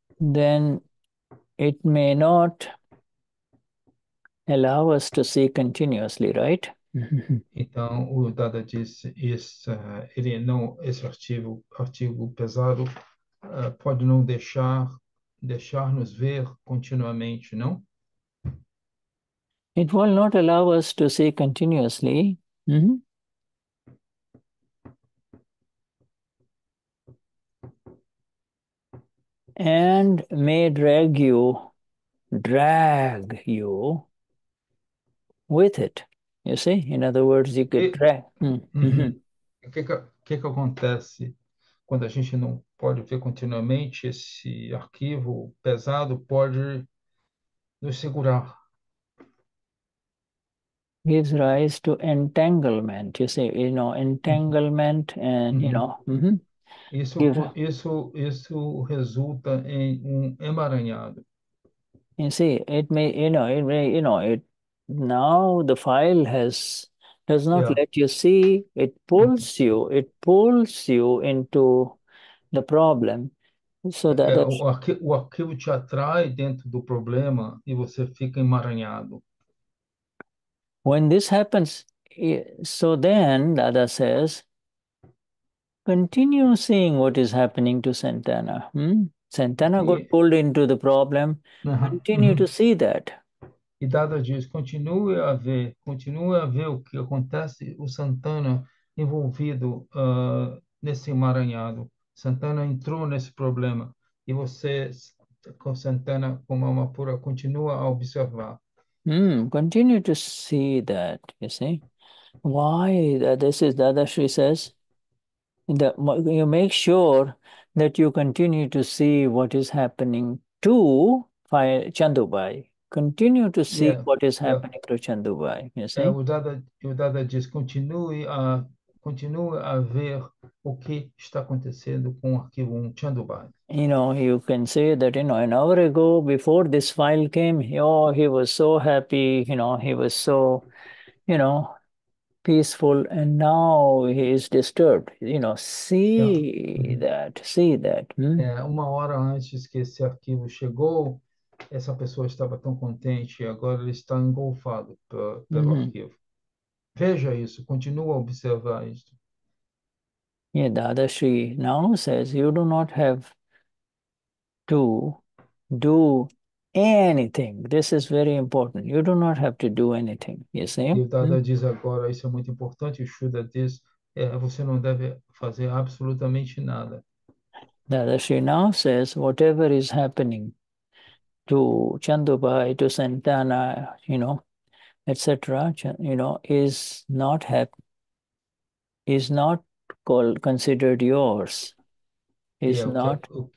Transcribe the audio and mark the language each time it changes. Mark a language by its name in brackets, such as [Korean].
[English] Then it may not allow us to see continuously, right? [Portuguese] Então, o Dada diz, esse artigo pesado pode não deixar-nos ver continuamente, não? [English] It will not allow us to see continuously. And may drag you with it. You see? In other words, you could drag. [Portuguese] O que acontece quando a gente não pode ver continuamente esse arquivo pesado pode nos segurar? [English] gives rise to entanglement. You see, you know, entanglement and you know, give. [Portuguese] Isso resulta em um emaranhado. [English] You see, it may, you know, it may, you know, it now the file has does not let you see, it pulls you into the problem. So that [Portuguese] O arquivo te atrai dentro do problema e você fica emaranhado. [English] When this happens, so then Dada says, continue seeing what is happening to Santana. Santana got pulled into the problem. Continue to see that. [Portuguese] E Dada diz, continue a ver o que acontece, o Santana envolvido nesse emaranhado. Santana entrou nesse problema e você, com Santana, como uma pura, continua a observar. [English] Continue to see that, you see? Why this is Dada Shri says? You make sure that you continue to see what is happening to Chandubai. Continue to see what is happening to Chandubai, you see? [Portuguese] O Dada diz, continue a ver o que está acontecendo com o arquivo Chandubai. [English] You know, you can say that, you know, an hour ago, before this file came, he was so happy, you know, he was so, you know, peaceful, and now he is disturbed. You know, see that. [Portuguese] Uma hora antes que esse arquivo chegou, essa pessoa estava tão contente, e agora ele está engolfado pelo arquivo. Veja isso, continua a observar isso. [English] Yeah, Dada Shri now says you do not have to do anything. This is very important. You do not have to do anything. You see? [Portuguese] E Dada diz agora, isso é muito importante, o Shuddha diz, você não deve fazer absolutamente nada. [English] Dada Shri now says whatever is happening to Chandubai, to Santana, you know, etc., you know, is not called considered yours, is not.